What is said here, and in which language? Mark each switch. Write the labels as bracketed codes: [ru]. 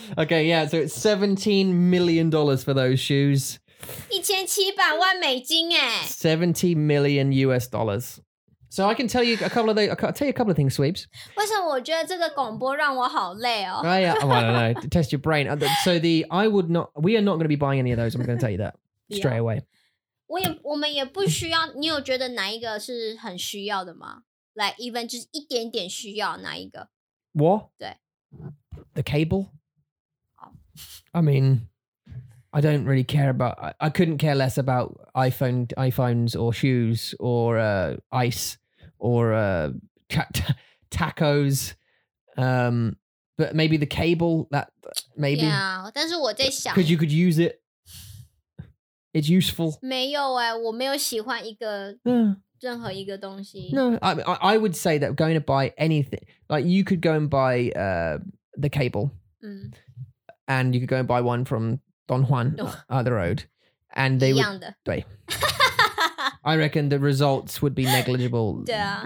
[en] Okay, yeah, so it's $17 million for those shoes. [zh] 1,700万美金诶! [en] $70 million. So I can tell you a couple of things. I'll tell you a couple of things, Sweeps. [zh] 为什么我觉得这个广播让我好累哦? [en] Oh, yeah. Well, I don't know. To test your brain. So we are not going to be buying any of those. I'm going to tell you that straight away. [zh] 我们也不需要, 你有觉得哪一个是很需要的吗? [en] Like even just [zh] 一点点需要哪一个? 我? 对。 [en] The cable? I mean, I don't really care about, I couldn't care less about iPhones or shoes or ice or tacos. But maybe the cable, that maybe. [zh] Yeah, 但是我在想, [en] because you could use it. It's useful. [zh] 没有诶, 我没有喜欢一个任何一个东西. [en] No, I would say that going to buy anything, like you could go and buy the cable and you could go and buy one from Don Juan, the road, and they would. I reckon the results would be negligible. Yeah,